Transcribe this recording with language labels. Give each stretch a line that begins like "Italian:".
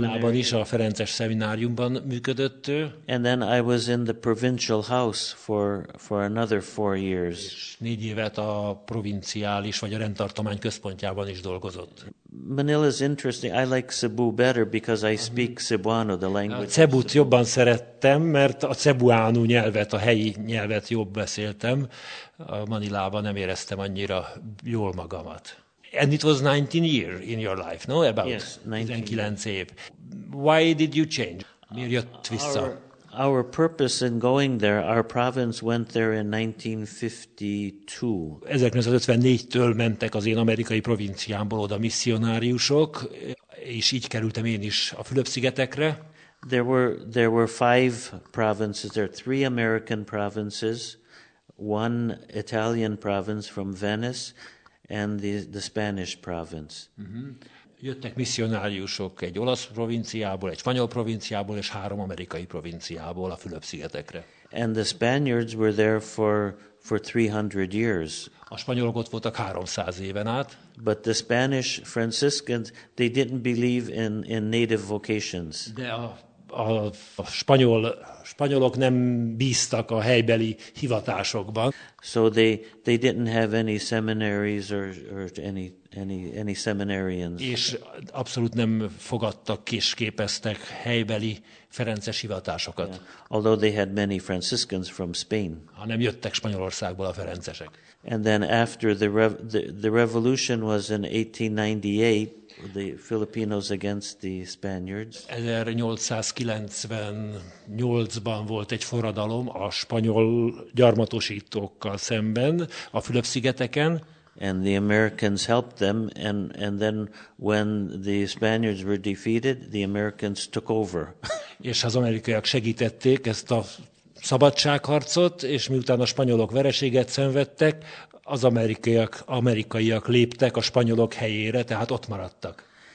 Hungarian: Manilában is a ferences szemináriumban működött.
English: And then I was in the provincial house for another 4 years.
Hungarian: Négy évet a provinciális vagy a rendtartomány központjában is dolgozott.
English: Manila is interesting. I like Cebu better because I speak Cebuano, the language.
Hungarian: Cebut jobban szerettem, mert a cebuánu nyelvet, a helyi nyelvet jobb beszéltem. A Manilában nem éreztem annyira jól magamat.
English: And it was 19 year in your life, no? About yes, 19 év. Why did you change?
Hungarian: Miért jött vissza?
English: Our purpose in going there, our province went there in 1952.
Hungarian: 1954-től mentek az én amerikai provinciámból oda misszionáriusok, és így kerültem én is a Fülöp-szigetekre.
English: There were five provinces. There are three American provinces, one Italian province from Venice, and the Spanish province.
Hungarian: Jöttek misszionáriusok egy olasz provinciából, egy spanyol provinciából és három amerikai provinciából a Fülöp-szigetekre.
English: And the Spaniards were there for 300 years.
Hungarian: A spanyolok ott voltak 300 éven át.
English: But the Spanish Franciscans, they didn't believe in native vocations.
Hungarian: De a spanyolok nem bíztak a helybeli hivatásokban.
English: So they didn't have any seminaries or any seminarians.
Hungarian: És abszolút nem fogadtak, kisképeztek helybeli ferences hivatásokat.
English: Yeah. Although they had many Franciscans from Spain.
Hungarian: Hanem jöttek Spanyolországból a ferencesek.
English: And then after the revolution was in 1898, the Filipinos against the Spaniards.
Hungarian: 1898-ban volt egy forradalom a spanyol gyarmatosítókkal szemben a Fülöp-szigeteken.
English: And the Americans helped them, and then when the Spaniards were defeated, the Americans took over.
Hungarian: És az amerikaiak segítették ezt a szabadságharcot, és miután a spanyolok vereséget szenvedtek, az amerikaiak léptek a spanyolok helyére, tehát ott maradtak.